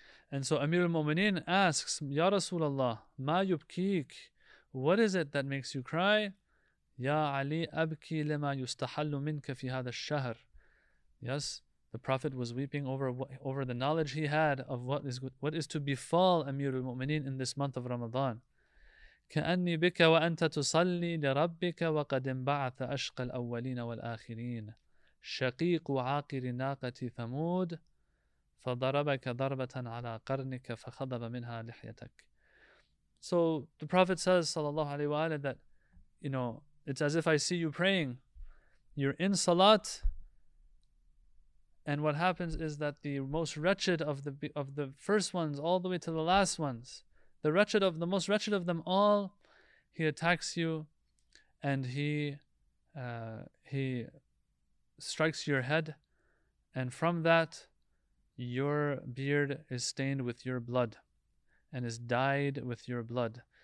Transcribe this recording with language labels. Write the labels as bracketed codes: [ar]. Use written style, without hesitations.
[en] And so Amir al-Mu'mineen asks, [ar] Ya Rasulallah, ma yubkik? [en] What is it that makes you cry? [ar] Ya Ali, abki lima yustahallu minka fi hadha ash-shahr. [en] Yes, the Prophet was weeping over the knowledge he had of what is to befall Amir al-Mu'mineen in this month of Ramadan. [ar] كأني بك وأنت تصلي لربك وقد انبعث أشقى الأولين والآخرين شقيق عاقر ناقة ثمود فضربك ضربة على قرنك فخضب منها لحيتك. [en] So the Prophet says, sallallahu alayhi wa alayhi, that, you know, it's as if I see you praying. You're in salat, and what happens is that the most wretched of the first ones, all the way to the last ones, the most wretched of them all, he attacks you, and he strikes your head, and from that, your beard is stained with your blood, and is dyed with your blood.